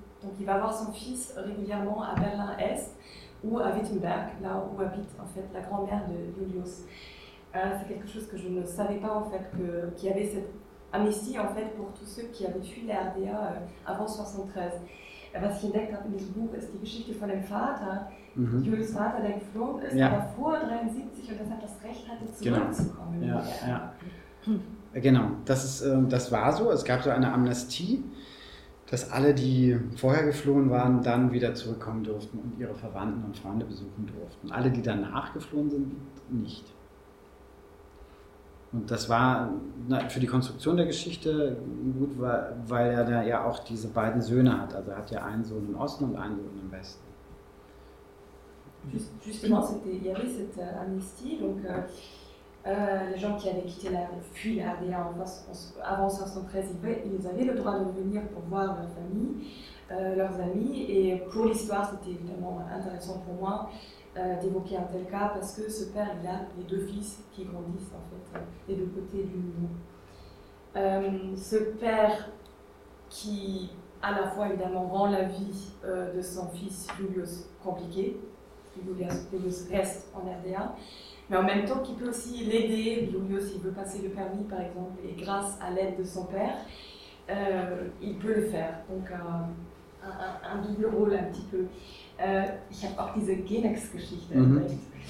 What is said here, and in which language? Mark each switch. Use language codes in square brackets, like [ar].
[fr] Donc il va voir son fils régulièrement à Berlin-Est, ou à Wittenberg, là où habite en fait la grand-mère de Julius. C'est quelque chose que je ne savais pas en fait, qu'il y avait cette amnistie en fait pour tous ceux qui avaient fui la RDA avant 73. [de] Was ich entdeckt habe in diesem Buch ist die Geschichte von dem Vater. Julius Vater, der geflohen ist, war vor 73 und deshalb das Recht hatte, zurückzukommen. Genau, das war so. Es gab so eine Amnestie, dass alle, die vorher geflohen waren, dann wieder zurückkommen durften und ihre Verwandten und Freunde besuchen durften. Alle, die danach geflohen sind, nicht. Und das war für die Konstruktion der Geschichte gut, weil er da ja auch diese beiden Söhne hat. Also er hat ja einen Sohn im Osten und einen Sohn im Westen. [fr] Justement, c'était, il y avait cette amnistie, donc les gens qui avaient quitté fui la RDA avant 73, ils avaient le droit de venir pour voir leur famille, leurs amis. Et pour l'histoire, c'était évidemment intéressant pour moi d'évoquer un tel cas parce que ce père, il a les deux fils qui grandissent, en fait, des deux côtés du monde. Ce père qui, à la fois, évidemment, rend la vie de son fils Julius compliquée, Julius reste en RDA, mais en même temps qu'il peut aussi l'aider, Julius, s'il veut passer le permis par exemple, et grâce à l'aide de son père, il peut le faire. Donc un double rôle un petit peu. [de] Ich habe auch diese Genex-Geschichte entdeckt.